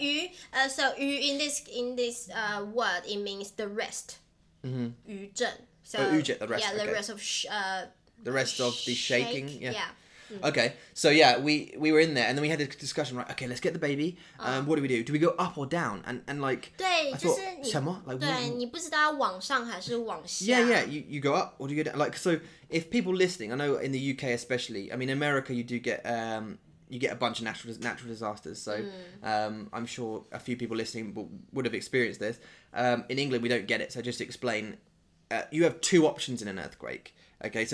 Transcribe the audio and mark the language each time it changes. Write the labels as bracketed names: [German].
[English] 余 so 余 in this word it means the rest. [Chinese] 余震。 [English] So, oh, 余震 the rest, yeah, the okay. rest of the rest of the shaking. Shake, yeah. yeah. Okay, so yeah, we were in there, and then we had a discussion, right, okay, let's get the baby, what do we do? Do we go up or down? And like, [Chinese] 对, [English] I thought, 什么?Like, [Chinese] 对, 你不知道要往上还是往下。 [English] Yeah, yeah, you go up or do you go down? Like, so if people listening, I know in the UK especially, I mean, America, you do get, you get a bunch of natural disasters, so I'm sure a few people listening would have experienced this. In England, we don't get it, so just explain, you have two options in an earthquake, okay?